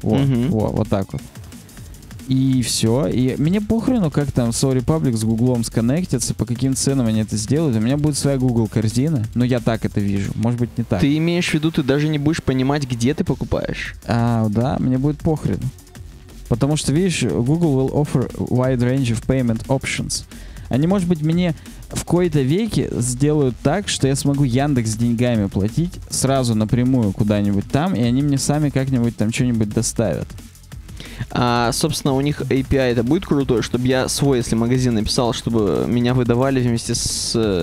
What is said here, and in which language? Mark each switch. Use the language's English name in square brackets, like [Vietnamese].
[Russian] Вот так вот. И все. И мне похрену, как там Soul Republic с Гуглом сконнектятся, по каким ценам они это сделают. У меня будет своя Google корзина. Но я так это вижу. Может быть, не так. Ты имеешь в виду, ты даже не будешь понимать, где ты покупаешь? А, да, мне будет похрен. Потому что, видишь, [English] Google will offer wide range of payment options. [Russian] Они, может быть, мне в кои-то веки сделают так, что я смогу Яндекс деньгами платить сразу напрямую куда-нибудь там, и они мне сами как-нибудь там что-нибудь доставят. А, собственно, у них API это будет крутой, чтобы я свой, если магазин написал, чтобы меня выдавали вместе с...